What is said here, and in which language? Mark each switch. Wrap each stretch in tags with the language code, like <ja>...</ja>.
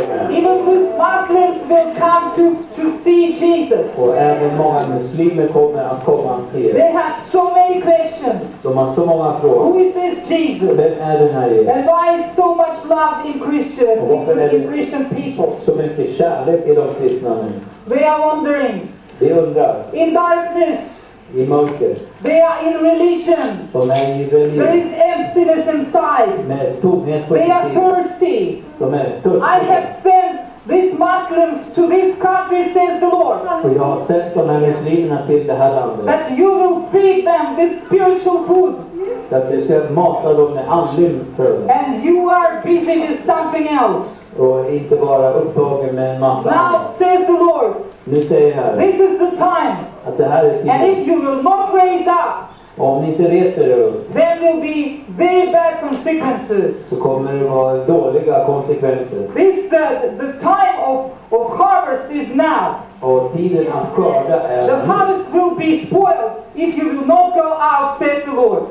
<en>Even with Muslims will come to see Jesus.</en> <sv>Och även många muslimer kommer att komma till.</sv> <en>They have so many questions.</en> <sv>De har så många frågor.</sv> <en>Who is this Jesus?</en> <sv>Vem är den här Jesus?</sv> <en>And why is so much love in Christian, in Christian people?</en> <sv>Så mycket kärlek i de kristna människorna.</sv> <en>They are wandering.</en> <sv>De undrar.</sv> <en>In darkness.</en> <sv>I mörker.</sv> <en>They are in religion.</en> <sv>De är i religion.</sv> <en>There is emptiness inside.</en> <sv>Med tomhet på insidan.</sv> <en>They are thirsty.</en> <sv>De är törstiga.</sv> <en>I have sent these Muslims to this country, says the Lord.</en> <sv>Och jag har sent de här muslimerna till det här landet.</sv> <en>That you will feed them with spiritual food.</en> <sv>Att du ska mata dem med andlig föda.</sv> <en>And you are busy with something else.</en> <sv>Och inte bara upptagen med en massa.</sv> <en>Now says the Lord.</en> <sv>Nu säger här.</sv> <en>This is the time.</en> <sv>Att det här är tiden.</sv> <en>And if you will not raise up.</en> <sv>Om ni inte reser er upp.</sv> <en>There will be very bad consequences.</en> <sv>Så kommer det vara dåliga konsekvenser.</sv> <en>This is the time of harvest is now.</en> <sv>Och tiden att skörda är.</sv> <en>The harvest will be spoiled if you will not go out, says the Lord.</en>